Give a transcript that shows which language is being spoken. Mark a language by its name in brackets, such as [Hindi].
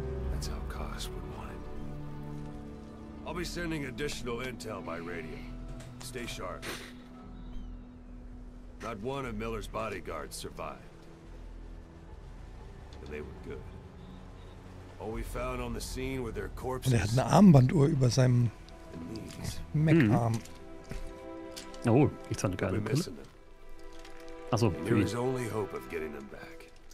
[English] That's how Koss would want it. I'll be sending additional intel by radio. Stay sharp. Not one of Miller's bodyguards survived. And they were good. All we found on the scene were their corpses. [German] Und er hat eine Armbanduhr über seinem Mech-Arm. Oh, ich fand eine geile Brille. Also, [English] there is only hope of getting them back.